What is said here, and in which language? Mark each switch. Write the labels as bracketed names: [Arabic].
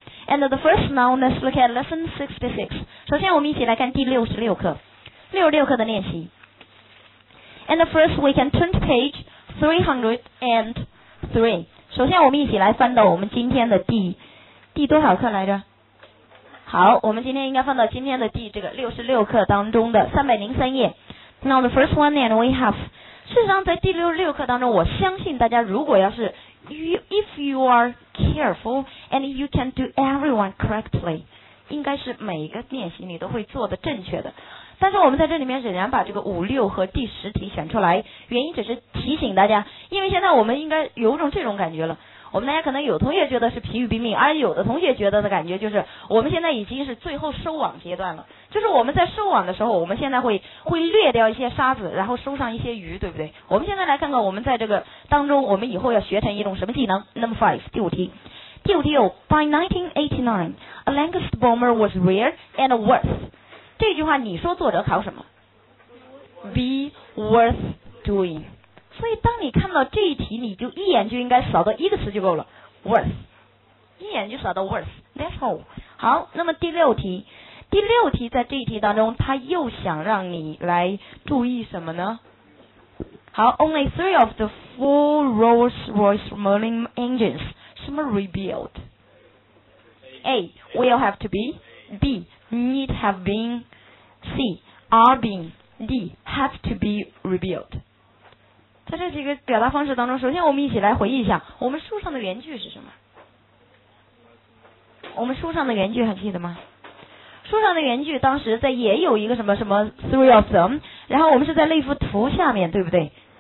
[English] And the first now, let's look at lesson 66. [Chinese] 首先我们一起来看第66课。 66课的练习。 [English] And first, we can turn to page 303. [Chinese] 首先我们一起来翻到我们今天的第多少课来着？好，我们今天应该放到今天的第这个66课当中的303页。 [English] Now the first one, and we have, [Chinese] 事实上在第66课当中，我相信大家如果要是 [English] if you are careful and you can do everyone correctly, [Chinese] 应该是每一个练习你都会做的正确的。但是我们在这里面仍然把这个五六和第十题选出来，原因只是提醒大家，因为现在我们应该有种这种感觉了。我们大家可能有同学觉得是疲于奔命，而有的同学觉得的感觉就是我们现在已经是最后收网阶段了，就是我们在收网的时候，我们现在会略掉一些沙子，然后收上一些鱼，对不对？我们现在来看看我们在这个当中我们以后要学成一种什么技能。 [English] Number 5, [Chinese] 第五题 [English] By 1989 A Lancaster bomber was rare and worth, [Chinese] 这句话你说作者考什么？ [English] Be worth doing。 [Chinese] 所以当你看到这一题，你就一眼就应该扫到一个词就够了， worth， 一眼就扫到 worth， [English] that's all。 [Chinese] 好，那么第六题在这一题当中他又想让你来注意什么呢？ [English] 好， only three of the four Rolls Royce Merlin engines 什么 rebuild， A will have to be， B need have been， C are being， D have to be rebuild。 [Chinese] 在这几个表达方式当中，首先我们一起来回忆一下我们书上的原句是什么。我们书上的原句还记得吗？书上的原句当时在也有一个什么什么 [English] three of them， [Chinese] 然后我们是在那幅图下面，对不对？